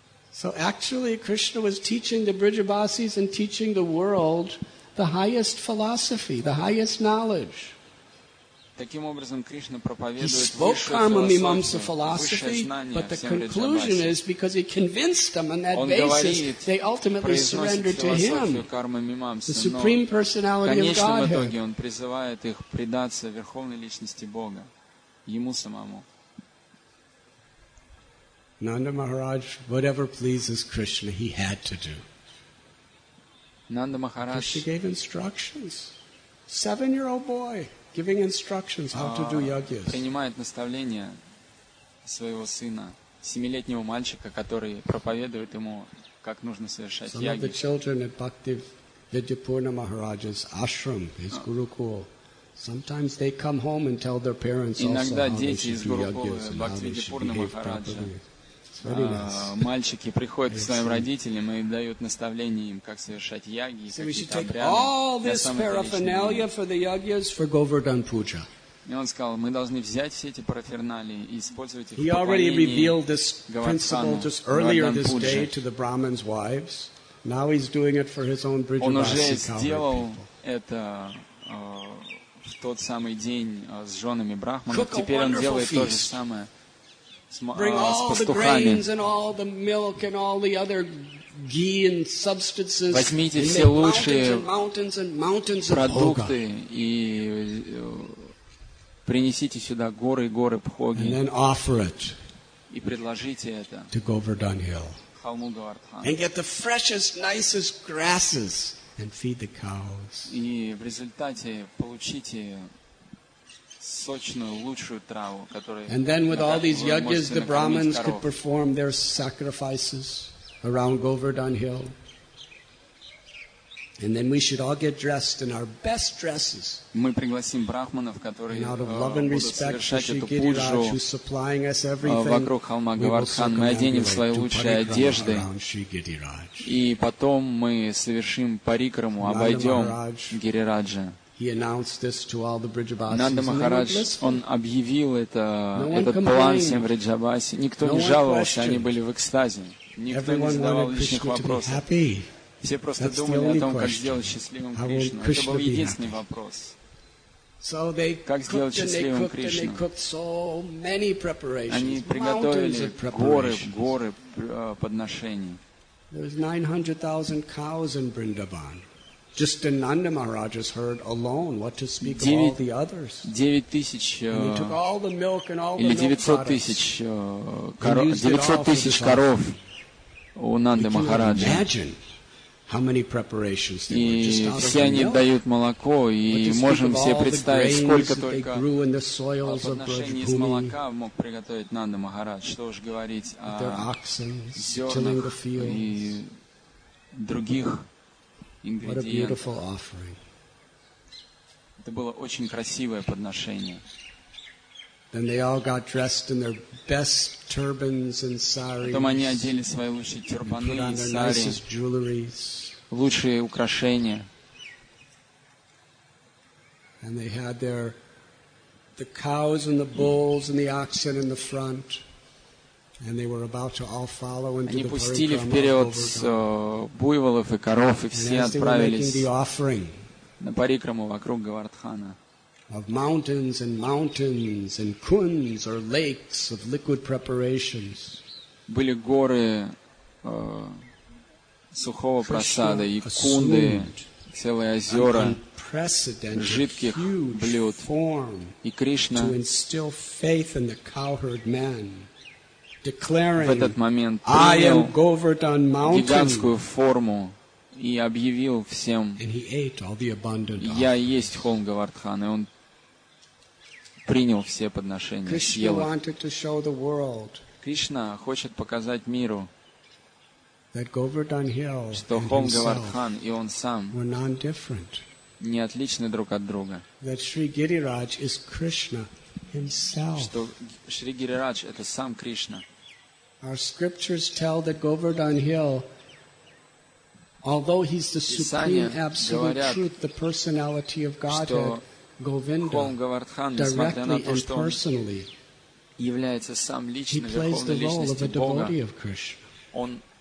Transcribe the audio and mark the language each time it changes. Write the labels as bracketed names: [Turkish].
[English] So actually, Krishna was teaching the Brijabasis and teaching the world the highest philosophy, the highest knowledge. [Russian] Таким образом, Кришна проповедует высшую философию, высшее знание всем Риджабасе. [English] But the conclusion is, because he convinced them on that basis, they ultimately surrendered to him, the Supreme Personality of Godhead. [Russian] В конечном итоге он призывает их предаться Верховной Личности Бога, Ему самому. [English] Nanda Maharaj, whatever pleases Krishna, he had to do. Nanda Maharaj, Krishna gave instructions. 7-year-old boy. Giving instructions how to do yagyas. [Russian] Принимает наставления своего сына, 7-летнего мальчика, который проповедует ему, как нужно совершать [English] яги. Some of the children at Bhakti Vidyapurna Maharaj's ashram, his gurukul. Sometimes they come home and tell their parents also how they should do yagyas and how they should behave properly. [Russian] Мальчики приходят к своим родителям и дают наставление им, как совершать яги и какие-то обряды. [English] All this paraphernalia for the yagyas for Govardhan Puja. [Russian] И он сказал, мы должны взять все эти параферналии и использовать их. [English] He already revealed this principle just earlier this day to the brahmins' wives. Now he's doing it for his own Brijavasi [Russian] Он уже сделал это в тот самый день с женами брахманов. Теперь он делает то же самое. [English] Bring all the grains and all the milk and all the other ghee and substances. [Russian] Возьмите все лучшие продукты и принесите сюда горы и горы пхоги. [English] And then offer it. [Russian] И предложите это. [English] To Govardhan Hill. And get the freshest, nicest grasses and feed the cows. [Russian] И в результате получите сочную, лучшую траву, которую [English] And then with all these yagyas, the brahmins could perform their sacrifices around Govardhan Hill. And then we should all get dressed in our best dresses. [Russian] Мы пригласим брахманов, которые [English] out of love and respect for Shri Giriraj, who's supplying us everything. [Russian] Вокруг холма Говардхан мы оденем свои лучшие одежды. И потом мы совершим парикраму, обойдем Гирираджа. He announced this to all the Brijabasis. Нанда Махарадж, он объявил это, этот план всем Бриджабаси. Никто не жаловался, они были в экстазе. Никто не задавал лишних вопросов. Все просто думали о том, как сделать счастливым Кришну. Это был единственный вопрос. Как сделать счастливым Кришну? Они приготовили горы, горы подношений. [English] There was 900,000 cows in Vrindavan. Just the Nanda Maharaja's herd alone, what to speak of all the others. 9,000 and he took all the milk and all the milk products. [Russian] 900,000 коров у Нанды Махараджи. [English] Imagine how many preparations they were. [Russian] И все они дают молоко, и можем себе представить, сколько только в отношении из молока мог приготовить Нанда Махарадж. Что уж говорить о зернах и других [English] What a beautiful offering. [Russian] Это было очень красивое подношение. [English] Then they all got dressed in their best turbans and saris. [Russian] Потом они одели свои лучшие тюрбаны и сари. Лучшие украшения. [English] And they had the cows and the bulls and the oxen in the front. And they were about to all follow into the parikrama. [Russian] Они пустили вперед буйволов и коров, и все отправились на парикраму вокруг Говардхана. [English] Of mountains and mountains and kuns or lakes of liquid preparations. [Russian] Были горы сухого просада и кунды, целые озера жидких блюд. И Кришна [English] to instill faith in the cowherd man. Declaring, [Russian] в этот момент принял гигантскую форму и объявил всем, я есть холм Говардхан, и он принял все подношения, съел их. Кришна хочет показать миру, [English] that Govardhan Hill and himself were non-different. [Russian] Не отличны друг от друга. [English] That Sri Giriraj is Krishna himself. [Russian] Что Шри Гирирадж это сам Кришна. [English] Our scriptures tell that Govardhan Hill, although he's the supreme absolute truth, the personality of Godhead, Govinda, directly and personally, he plays the role of a devotee of Krishna.